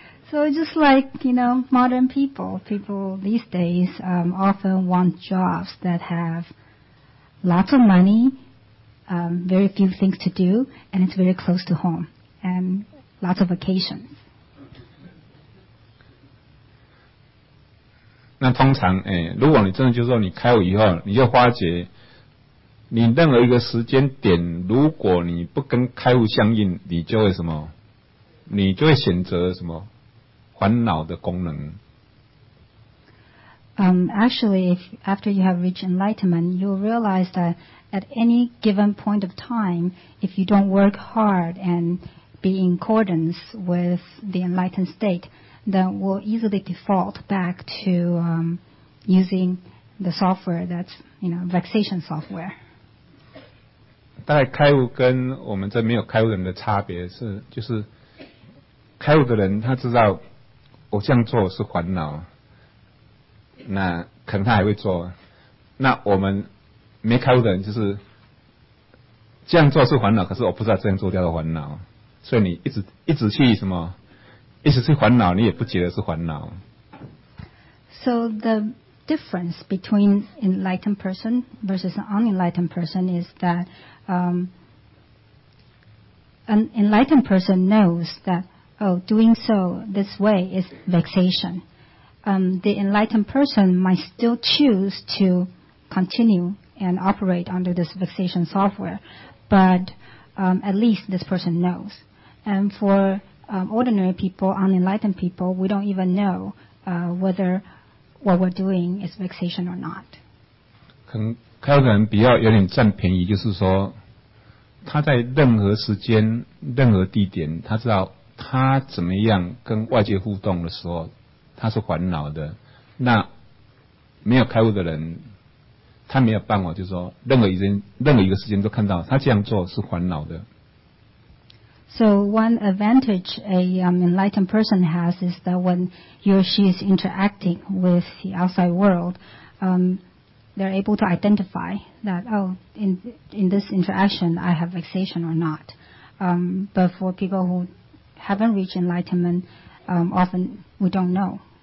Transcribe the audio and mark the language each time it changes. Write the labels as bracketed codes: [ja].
[en] So just like you know, modern people these days often want jobs that have lots of money. Very few things to do, and it's very close to home, and lots of vacations. [zh] 那通常，如果你真的就是说你开悟以后，你就发觉你任何一个时间点，如果你不跟开悟相应，你就会什么？你就会选择什么？烦恼的功能。 [en] Actually, if after you have reached enlightenment, you'll realize that at any given point of time, if you don't work hard and be in accordance with the enlightened state, then we'll easily default back to using the software that's, you know, vexation software. [zh] 大概开悟跟我们这没有开悟人的差别是，就是开悟的人他知道我这样做是烦恼。那可能他还会做，那我们没开悟的人就是这样做是烦恼，可是我不知道这样做掉的烦恼，所以你一直去什么，一直去烦恼，你也不觉得是烦恼。 [en] So the difference between enlightened person versus an unenlightened person is that an enlightened person knows that doing so this way is vexation. The enlightened person might still choose to continue and operate under this vexation software, but at least this person knows. And for ordinary people, unenlightened people, we don't even know whether what we're doing is vexation or not. [zh] 可能开悟的人比较有点占便宜，就是说他在任何时间、任何地点，他知道他怎么样跟外界互动的时候他是烦恼的，那没有开悟的人，他没有办法，就是说任何一个时间都看到他这样做是烦恼的。 [en] So one advantage a enlightened person has is that when he or she is interacting with the outside world, they're able to identify that in this interaction I have vexation or not. But for people who haven't reached enlightenment, often we don't know.